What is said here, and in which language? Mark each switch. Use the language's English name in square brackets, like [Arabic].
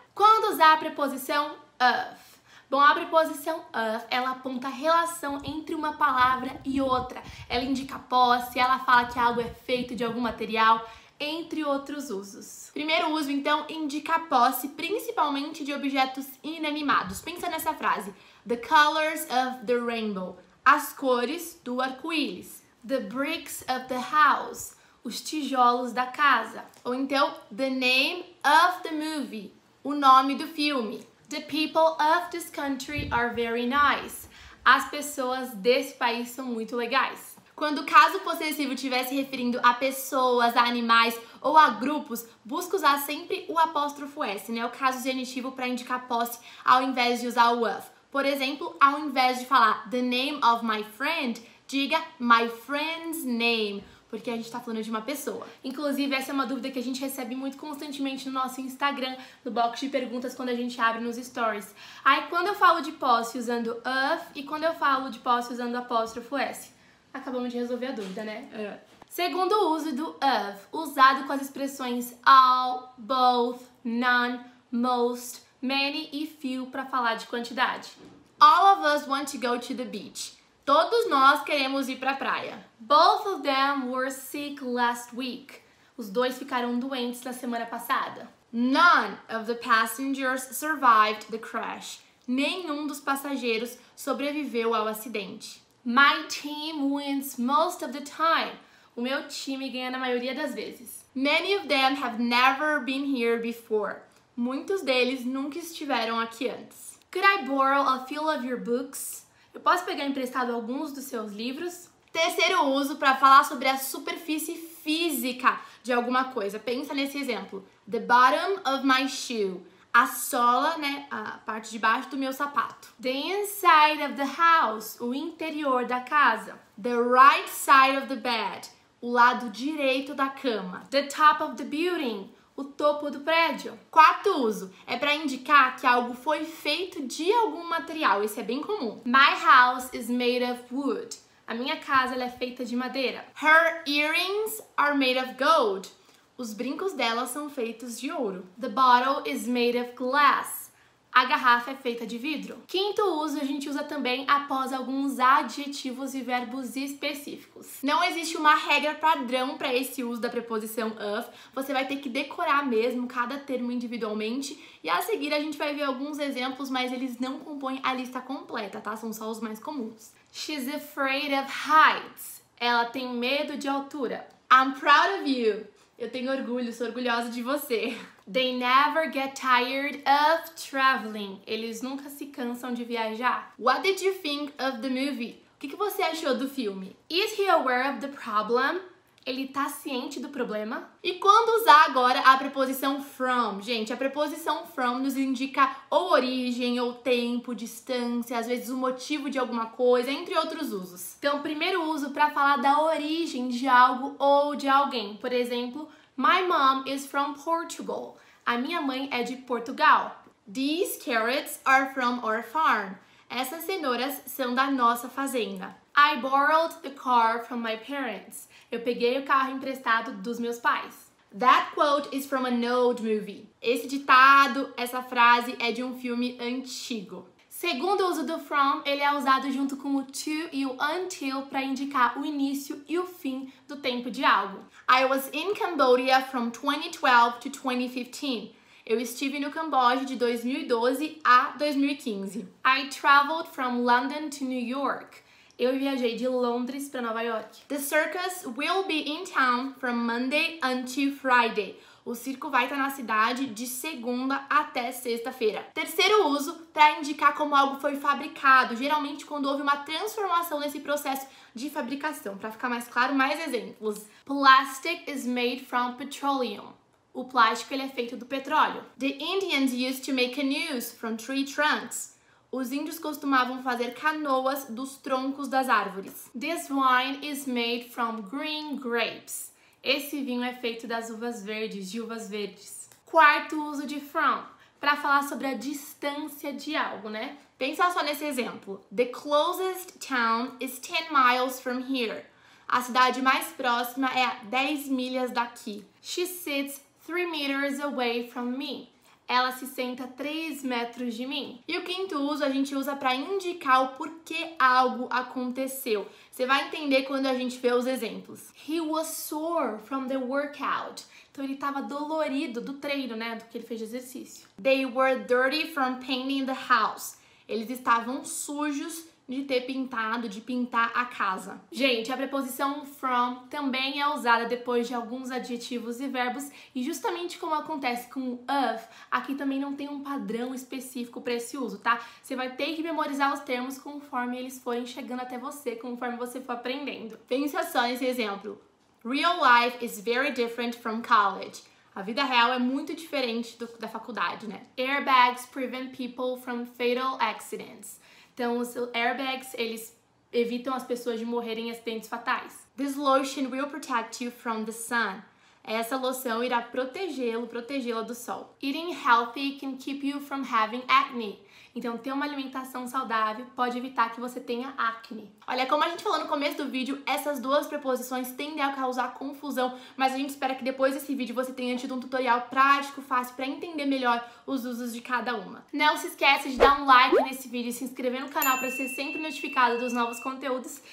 [Portuguese] Quando usar a preposição of? Bom, a preposição of, ela aponta a relação entre uma palavra e outra. Ela indica posse, ela fala que algo é feito de algum material, entre outros usos. Primeiro uso, então, indica posse, principalmente de objetos inanimados. Pensa nessa frase. [English] The colors of the rainbow. [Portuguese] As cores do arco-íris. [English] The bricks of the house. [Portuguese] Os tijolos da casa. Ou então, [English] the name of the movie. [Portuguese] O nome do filme. [English] The people of this country are very nice. [Portuguese] As pessoas desse país são muito legais. Quando o caso possessivo estiver se referindo a pessoas, a animais ou a grupos, busca usar sempre o apóstrofo S, né? O caso genitivo para indicar posse ao invés de usar o of. Por exemplo, ao invés de falar [English] the name of my friend, [Portuguese] diga [English] my friend's name. [Portuguese] Porque a gente tá falando de uma pessoa. Inclusive, essa é uma dúvida que a gente recebe muito constantemente no nosso Instagram, no box de perguntas, quando a gente abre nos stories. Aí, quando eu falo de posse usando of e quando eu falo de posse usando apóstrofo S? Acabamos de resolver a dúvida, né? Segundo uso do of, usado com as expressões all, both, none, most, many e few pra falar de quantidade. [English] All of us want to go to the beach. [Portuguese] Todos nós queremos ir pra praia. [English] Both of them were sick last week. [Portuguese] Os dois ficaram doentes na semana passada. [English] None of the passengers survived the crash. [Portuguese] Nenhum dos passageiros sobreviveu ao acidente. [English] My team wins most of the time. [Portuguese] O meu time ganha na maioria das vezes. [English] Many of them have never been here before. [Portuguese] Muitos deles nunca estiveram aqui antes. [English] Could I borrow a few of your books? [Portuguese] Eu posso pegar emprestado alguns dos seus livros? Terceiro uso para falar sobre a superfície física de alguma coisa. Pensa nesse exemplo. [English] The bottom of my shoe. [Portuguese] A sola, né? A parte de baixo do meu sapato. [English] The inside of the house. [Portuguese] O interior da casa. [English] The right side of the bed. [Portuguese] O lado direito da cama. [English] The top of the building. [Portuguese] O topo do prédio. Quarto uso, é para indicar que algo foi feito de algum material. Isso é bem comum. [English] My house is made of wood. [Portuguese] A minha casa ela é feita de madeira. [English] Her earrings are made of gold. [Portuguese] Os brincos dela são feitos de ouro. [English] The bottle is made of glass. [Portuguese] A garrafa é feita de vidro. Quinto uso, a gente usa também após alguns adjetivos e verbos específicos. Não existe uma regra padrão para esse uso da preposição of. Você vai ter que decorar mesmo cada termo individualmente. E a seguir a gente vai ver alguns exemplos, mas eles não compõem a lista completa, tá? São só os mais comuns. [English] She's afraid of heights. [Portuguese] Ela tem medo de altura. [English] I'm proud of you. [Portuguese] Eu tenho orgulho, sou orgulhosa de você. [English] They never get tired of traveling. [Portuguese] Eles nunca se cansam de viajar. [English] What did you think of the movie? [Portuguese] O que você achou do filme? [English] Is he aware of the problem? [Portuguese] Ele tá ciente do problema? E quando usar agora a preposição from? Gente, a preposição from nos indica ou origem, ou tempo, distância, às vezes o motivo de alguma coisa, entre outros usos. Então, primeiro uso para falar da origem de algo ou de alguém. Por exemplo, [English] my mom is from Portugal. [Portuguese] A minha mãe é de Portugal. [English] These carrots are from our farm. [Portuguese] Essas cenouras são da nossa fazenda. [English] I borrowed the car from my parents. [Portuguese] Eu peguei o carro emprestado dos meus pais. [English] That quote is from an old movie. [Portuguese] Esse ditado, essa frase é de um filme antigo. Segundo o uso do from, ele é usado junto com o to e o until para indicar o início e o fim do tempo de algo. [English] I was in Cambodia from 2012 to 2015. [Portuguese] Eu estive no Camboja de 2012 a 2015. [English] I traveled from London to New York. [Portuguese] Eu viajei de Londres para Nova York. [English] The circus will be in town from Monday until Friday. [Portuguese] O circo vai estar na cidade de segunda até sexta-feira. Terceiro uso, para indicar como algo foi fabricado, geralmente quando houve uma transformação nesse processo de fabricação. Para ficar mais claro, mais exemplos. [English] Plastic is made from petroleum. [Portuguese] O plástico, ele é feito do petróleo. [English] The Indians used to make canoes from tree trunks. [Portuguese] Os índios costumavam fazer canoas dos troncos das árvores. [English] This wine is made from green grapes. [Portuguese] Esse vinho é feito das uvas verdes, de uvas verdes. Quarto uso de from, para falar sobre a distância de algo, né? Pensa só nesse exemplo. [English] The closest town is 10 miles from here. [Portuguese] A cidade mais próxima é a 10 milhas daqui. [English] She sits 3 meters away from me. [Portuguese] Ela se senta 3 metros de mim. E o quinto uso a gente usa para indicar o porquê algo aconteceu. Você vai entender quando a gente vê os exemplos. [English] He was sore from the workout. [Portuguese] Então ele estava dolorido do treino, né? Do que ele fez de exercício. [English] They were dirty from painting the house. [Portuguese] Eles estavam sujos de ter pintado, de pintar a casa. Gente, a preposição from também é usada depois de alguns adjetivos e verbos, e justamente como acontece com of, aqui também não tem um padrão específico para esse uso, tá? Você vai ter que memorizar os termos conforme eles forem chegando até você, conforme você for aprendendo. Pensa só nesse exemplo. [English] Real life is very different from college. [Portuguese] A vida real é muito diferente da faculdade, né? [English] Airbags prevent people from fatal accidents. [Portuguese] Então, os airbags, eles evitam as pessoas de morrerem em acidentes fatais. [English] This lotion will protect you from the sun. [Portuguese] Essa loção irá protegê-lo, protegê-la do sol. [English] Eating healthy can keep you from having acne. [Portuguese] Então, ter uma alimentação saudável pode evitar que você tenha acne. Olha, como a gente falou no começo do vídeo, essas duas preposições tendem a causar confusão, mas a gente espera que depois desse vídeo você tenha tido um tutorial prático, fácil, para entender melhor os usos de cada uma. Não se esquece de dar um like nesse vídeo e se inscrever no canal para ser sempre notificado dos novos conteúdos.